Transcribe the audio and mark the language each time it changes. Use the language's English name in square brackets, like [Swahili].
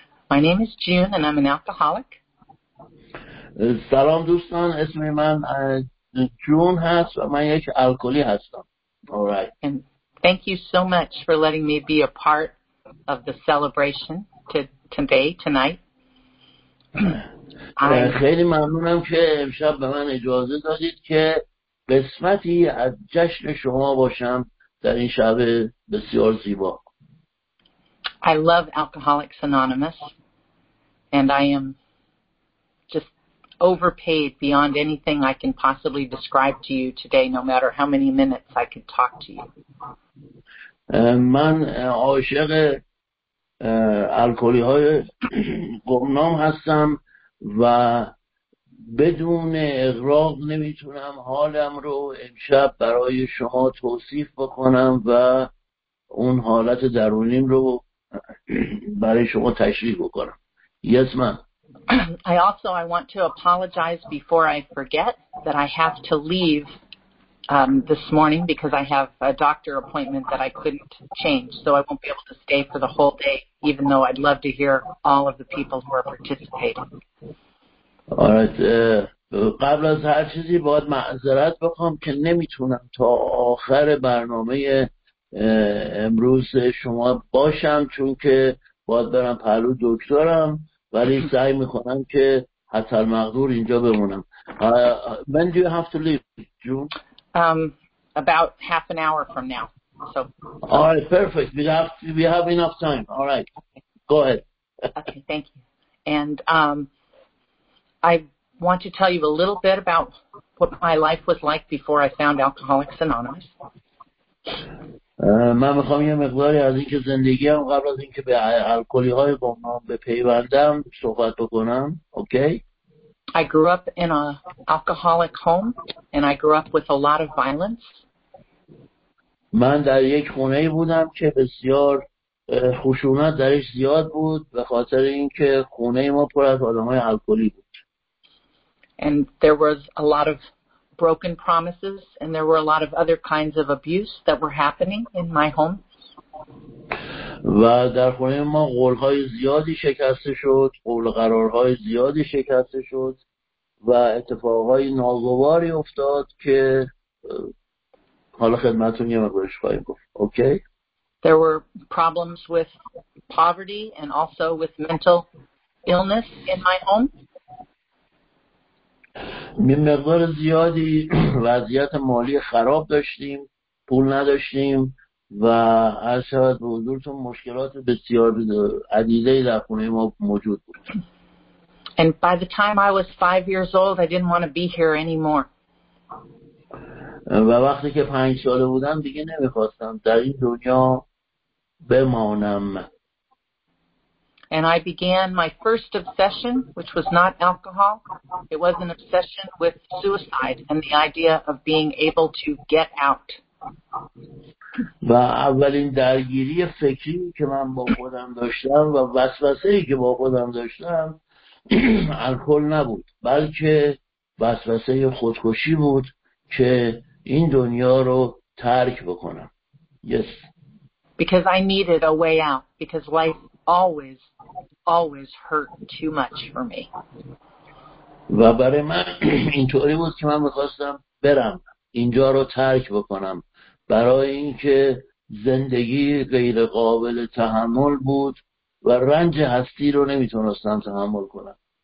[English] My name is June, and I'm an alcoholic. [Persian] سلام دوستان، اسم من جون هست و من یک الکلی هستم. [English] All right. And thank you so much for letting me be a part of the celebration today, tonight. [Persian] خیلی ممنونم که امشب به من اجازه دادید که قسمتی از جشن شما باشم در این شب بسیار زیبا. [English] I love Alcoholics Anonymous, and I am just overpaid beyond anything I can possibly describe to you today, no matter how many minutes I could talk to you. [Persian] من عاشق الکلی های گمنام هستم و بدون اغراق نمیتونم حالم رو امشب برای شما توصیف بکنم و اون حالت درونیم رو برای شما تشریح بکنم. [English] Yes, ma'am. I want to apologize before I forget that I have to leave this morning because I have a doctor appointment that I couldn't change, so I won't be able to stay for the whole day, even though I'd love to hear all of the people who are participating. All right. [Persian] قبل از هر چیزی باید معذرت بخوام که نمیتونم تا آخر برنامه امروز شما باشم چون که باید برم پلو دکترم، ولی سعی میکنم که حتی مقدور اینجا بمونم. [English] When do you have to leave, June? About half an hour from now. So. All right, perfect. We have enough time. All right. Go ahead. Okay, thank you. And I want to tell you a little bit about what my life was like before I found Alcoholics Anonymous. [Persian] من میخوام یه مقداری از اینکه زندگیم قبل از اینکه به الکلی های گمنام بپیوندم صحبت بکنم. [English] Okay. I grew up in a alcoholic home and I grew up with a lot of violence. [Persian] من در یک خونه بودم که بسیار خشونت درش زیاد بود به خاطر اینکه خونه ما پر از آدم های الکلی بود. [English] And there was a lot of broken promises, and there were a lot of other kinds of abuse that were happening in my home. [Persian] و در خونه ما قول‌های زیادی شکسته شد، قول قرارهای زیادی شکسته شد و اتفاقهای ناگواری افتاد که حالا خدمتتون یه مقدارش خواهیم گفت. [English] Okay. There were problems with poverty and also with mental illness in my home. [Persian] مقدار زیادی وضعیت مالی خراب داشتیم، پول نداشتیم و هر شبت به حضورتون مشکلات بسیار عدیده‌ای در خونه ما موجود بود. [English] And by the time I was 5 years old, I didn't want to be here anymore. [Persian] و وقتی که 5 ساله بودم دیگه نمیخواستم در این دنیا بمانم. [English] And I began my first obsession, which was not alcohol. It was an obsession with suicide and the idea of being able to get out. [Persian] و اولین درگیری فکری که من با خودم داشتم و وسوسه‌ای که با خودم داشتم الکل نبود، بلکه وسوسه خودکشی بود که این دنیا رو ترک بکنم. [English] Yes. Because I needed a way out, because life always hurt too much for me. [Persian] و برای من اینطوری بود که من میخواستم برم اینجا رو ترک بکنم، برای اینکه زندگی غیر قابل تحمل بود و رنج هستی رو نمیتونستم تحمل کنم.